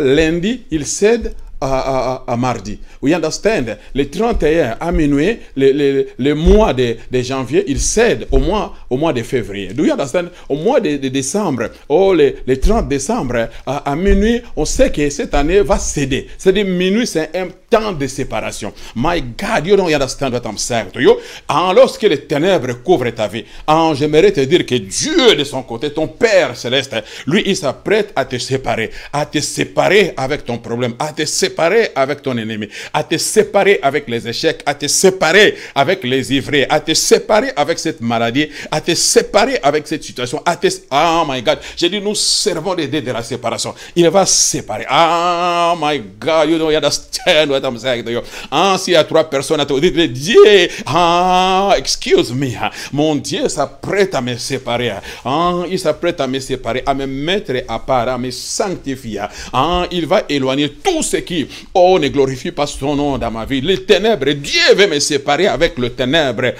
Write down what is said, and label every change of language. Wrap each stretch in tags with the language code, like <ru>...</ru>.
<fr>Lundi, il cède à mardi.</fr> <en>We understand?</en> <fr>Le 31 à minuit, le mois de janvier, il cède au mois de février.</fr> <en>Do you understand?</en> <fr>Au mois de décembre, le 30 décembre, à minuit, on sait que cette année va céder. C'est-à-dire, minuit, c'est un temps de séparation.</fr> <en>My God, you don't understand what I'm saying to you.</en> <fr>Lorsque les ténèbres couvrent ta vie, j'aimerais te dire que Dieu, de son côté, ton Père Céleste, lui, il s'apprête à te séparer avec ton problème, à te séparer avec ton ennemi, à te séparer avec les échecs, à te séparer avec les ivrés, à te séparer avec cette maladie, à te séparer avec cette situation, à te...</fr> <en>Oh my God,</en> <fr>j'ai dit, nous servons les dieux de la séparation. Il va séparer.</fr> <en>Oh my God, you don't understand what I'm saying to you.</en> <fr>S'il y a trois personnes à toi, dites-le, Dieu,</fr> <en>excuse me,</en> <fr>mon Dieu s'apprête à me séparer. Il s'apprête à me séparer, à me mettre à part, à me sanctifier. Il va éloigner tout ce qui vie. Oh, ne glorifie pas son nom dans ma vie. Les ténèbres, Dieu veut me séparer avec le ténèbre.</fr>